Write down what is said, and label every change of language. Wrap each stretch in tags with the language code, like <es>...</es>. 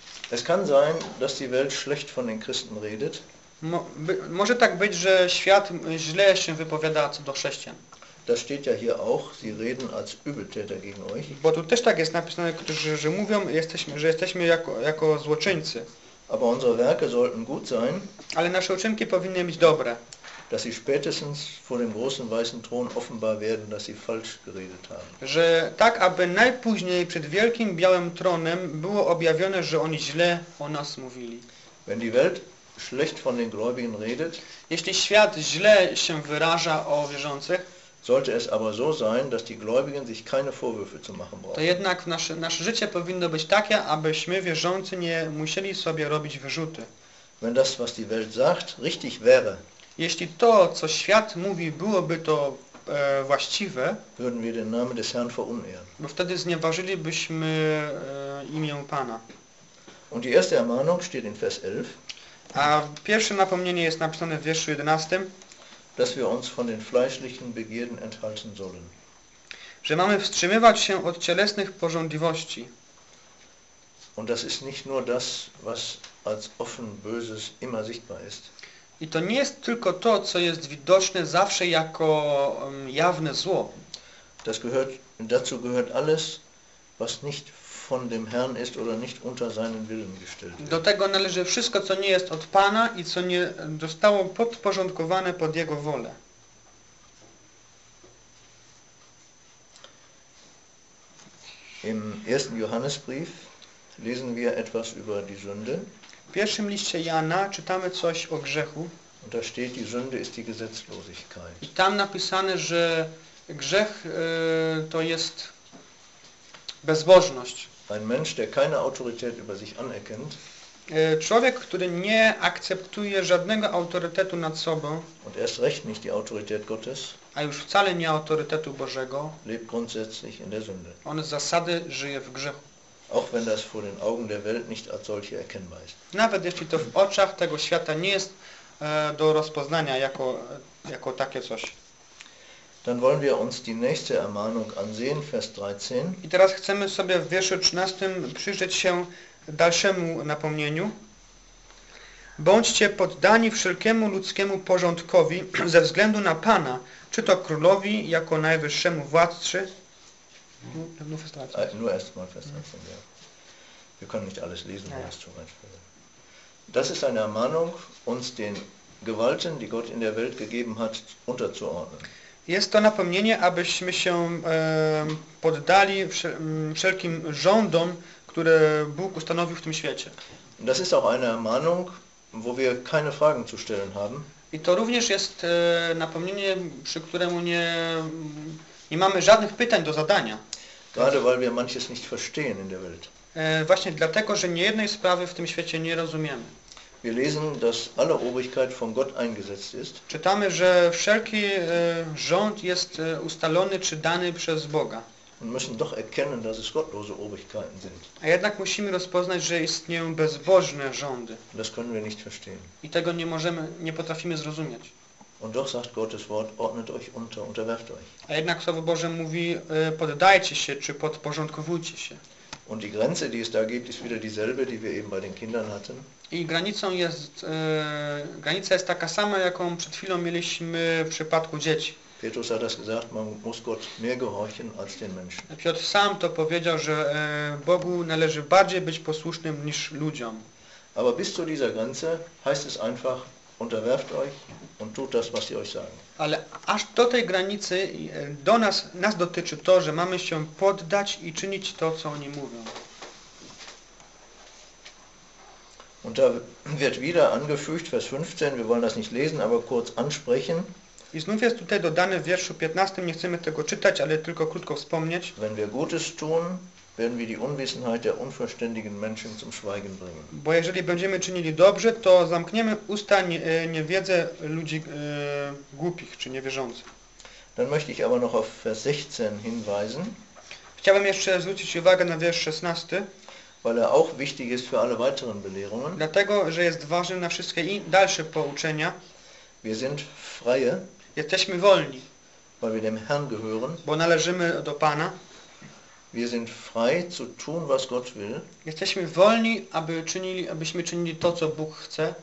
<de>Es kann sein, dass die Welt schlecht von den Christen redet.</de> <pl>Może tak być, że świat źle się wypowiada co do chrześcijan.</pl> <de>Das steht ja hier auch, sie reden als Übeltäter gegen euch.</de> <pl>Bo tu też tak jest napisane, że mówią, że jesteśmy jako złoczyńcy.</pl> <de>Aber unsere Werke sollten gut sein.</de> <pl>Ale nasze uczynki powinny być dobre.</pl> <de>Dass sie spätestens vor dem großen weißen Thron offenbar werden, dass sie falsch geredet haben.</de> <pl>Że tak, aby najpóźniej przed wielkim białym tronem było objawione, że oni źle o nas mówili.</pl> <de>Wenn die Welt schlecht von den Gläubigen redet,</de> <pl>jeśli świat źle się wyraża o wierzących,</pl> <de>sollte es aber so sein, dass die Gläubigen sich keine Vorwürfe zu machen brauchen.</de> <pl>To jednak nasze życie powinno być takie, abyśmy wierzący nie musieli sobie robić wyrzuty.</pl> <de>Wenn das, was die Welt sagt, richtig wäre,</de> <pl>jeśli to, co świat mówi, byłoby to właściwe,</pl> <de>würden wir den Namen des Herrn verunehren.</de> <pl>Bo wtedy znieważylibyśmy imię Pana.</pl> <de>Und die erste Ermahnung steht in Vers 11.</de> <pl>A pierwsze napomnienie jest napisane w wierszu 11.</pl> <de>Dass wir uns von den fleischlichen Begierden enthalten sollen.</de> <pl>Że mamy wstrzymywać się od cielesnych pożądliwości.</pl> <de>Und das ist nicht nur das, was als offen böses immer sichtbar ist.</de> <pl>I to nie jest tylko to, co jest widoczne zawsze jako jawne zło.</pl> <de>Dazu gehört alles, was nicht von dem Herrn ist oder nicht unter seinen Willen gestellt wird.</de> <pl>Do tego należy wszystko, co nie jest od Pana i co nie zostało podporządkowane pod Jego wolę.</pl> <de>Im ersten Johannesbrief lesen wir etwas über die Sünde.</de> <pl>W pierwszym liście Jana czytamy coś o grzechu.</pl> <de>Und da steht, die Sünde ist die Gesetzlosigkeit.</de> <pl>I tam napisane, że grzech to jest bezbożność.</pl> <de>Ein Mensch, der keine Autorität über sich anerkennt.</de> <pl>Człowiek, który nie akceptuje żadnego autorytetu nad sobą.</pl> <de>Und erst recht nicht die Autorität Gottes.</de> <pl>A już wcale nie autorytetu Bożego.</pl> <de>Lebt grundsätzlich in der Sünde.</de> <pl>On z zasady żyje w grzechu.</pl> <de>Auch wenn das vor den Augen der Welt nicht als solche erkennbar ist.</de> <pl>Nawet jeśli to w oczach tego świata nie jest do rozpoznania jako takie coś.</pl> <de>Dann wollen wir uns die nächste Ermahnung ansehen, Vers 13.</de> <pl>I teraz chcemy sobie w wierszu 13 przyjrzeć się dalszemu napomnieniu. Bądźcie poddani wszelkiemu ludzkiemu porządkowi ze względu na Pana, czy to królowi jako najwyższemu władcy.</pl> <de>Nur Vers 13. Nur erstmal Vers 13, ja. Wir können nicht alles lesen, wenn es zu weit wäre. Das ist eine Ermahnung, uns den Gewalten, die Gott in der Welt gegeben hat, unterzuordnen.</de> <pl>Jest to napomnienie, abyśmy się poddali wszelkim rządom, które Bóg ustanowił w tym świecie.</pl> <de>Das ist auch eine Ermahnung, wo wir keine Fragen zu stellen haben.</de> <pl>I to również jest napomnienie, przy któremu nie mamy żadnych pytań do zadania.</pl> <de>Gerade weil wir manches nicht verstehen in der Welt.</de> <pl>Właśnie dlatego, że niejednej sprawy w tym świecie nie rozumiemy.</pl> <de>Wir lesen, dass alle Obrigkeit von Gott eingesetzt ist.</de> <pl>Czytamy, że wszelki rząd jest ustalony czy dany przez Boga.</pl> <de>Und müssen doch erkennen, dass es gottlose Obrigkeiten sind.</de> <pl>A jednak musimy rozpoznać, że istnieją bezbożne rządy.</pl> <de>Das können wir nicht verstehen.</de> <pl>I tego nie potrafimy zrozumieć.</pl> <de>Und doch sagt Gottes Wort, ordnet euch unter, unterwerft euch.</de> <pl>A jednak Słowo Boże mówi, poddajcie się czy podporządkowujcie się.</pl> <de>Und die Grenze, die es da gibt, ist wieder dieselbe, die wir eben bei den Kindern hatten.</de> <pl>I granica jest taka sama, jaką przed chwilą mieliśmy w przypadku dzieci.</pl> <de>Petrus hat das gesagt, man muss Gott mehr gehorchen als den Menschen.</de> <pl>Piotr sam to powiedział, że Bogu należy bardziej być posłusznym niż ludziom.</pl> <de>Aber bis zu dieser Grenze heißt es einfach, unterwerft euch und tut das, was sie euch sagen.</de> <pl>Ale aż do tej granicy do nas dotyczy to, że mamy się poddać i czynić to, co oni mówią.</pl> <de>Und da wird wieder angefügt, Vers 15, wir wollen das nicht lesen, aber kurz ansprechen.</de> <pl>I znów jest tutaj dodane w wierszu 15, nie chcemy tego czytać, ale tylko krótko wspomnieć.</pl> <de>Wenn wir Gutes tun, werden wir die Unwissenheit der unverständigen Menschen zum Schweigen bringen.</de> <pl>Bo jeżeli będziemy czynili dobrze, to zamkniemy usta niewiedzę ludzi głupich czy niewierzących.</pl> <de>Dann möchte ich aber noch auf Vers 16 hinweisen.</de> <pl>Chciałbym jeszcze zwrócić uwagę na wiersz 16.</pl> <de>Weil er auch wichtig ist für alle weiteren Belehrungen.</de> <pl>Dlatego, że jest ważny na wszystkie dalsze pouczenia.</pl> <de>Wir sind freie,</de> <pl>Jesteśmy wolni,</pl> <de>weil wir dem Herrn gehören.</de> <pl>Bo należymy do Pana.</pl> <de>Wir sind frei zu tun, was Gott will.</de> <pl>Jesteśmy wolni, abyśmy czynili to, co Bóg chce.</pl>